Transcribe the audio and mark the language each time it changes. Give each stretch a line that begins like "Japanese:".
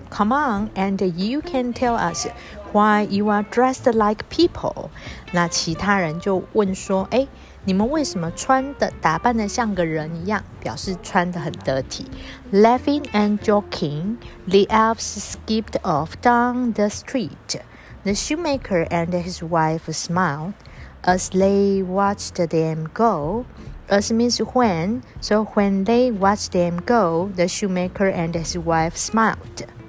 English: Come on, and you can tell us why you are dressed like people.
Chinese: 那其他人就问说，哎，你们为什么穿的打扮的像个人一样，表示穿得很得体。
English: Laughing and joking, the elves skipped off down the street. The shoemaker and his wife smiledAs they watched them go, as means when, so when they watched them go, the shoemaker and his wife smiled.